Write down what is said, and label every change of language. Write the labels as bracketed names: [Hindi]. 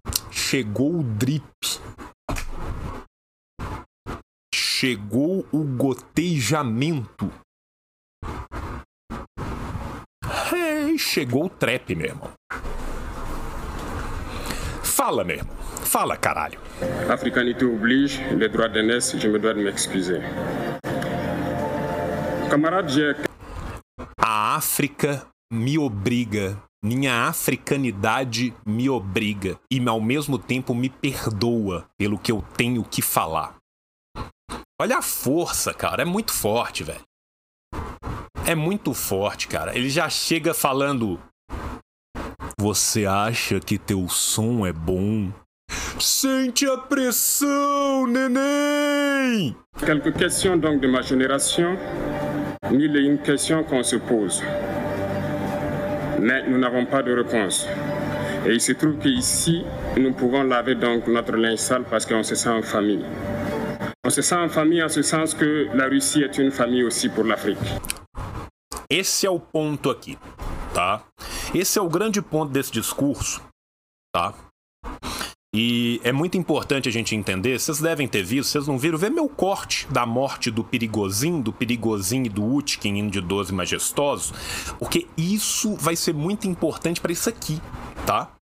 [Portuguese] Chegou o drip. Chegou o gotejamento. Hey, chegou o trap, meu irmão. Fala, meu irmão. Fala, caralho. [French] Africanité oblige, le droit de naître, je me dois de m'excuser. Camarade Jack. [Portuguese] A África me obriga. Minha africanidade me obriga e, ao mesmo tempo, me perdoa pelo que eu tenho que falar. Olha a força, cara. É muito forte, velho. É muito forte, cara. Ele já chega falando... Você acha que teu som é bom? Sente a pressão, neném! [French] Quelques questions donc de ma génération, mille et une questions qu'on se pose. Mais nous n'avons pas de réponse. Et il se trouve qu'ici, nous pouvons laver donc notre linge sale parce qu'on se sent en famille. On se sent en famille en ce sens que la Russie est une famille aussi pour l'Afrique. [Portuguese] Esse é o ponto aqui, tá? Esse é o grande ponto desse discurso, tá? E é muito importante a gente entender, vocês devem ter visto, vocês não viram, vê meu corte da morte do Perigozinho e do Utkin indo de 12 majestosos, porque isso vai ser muito importante para isso aqui, tá?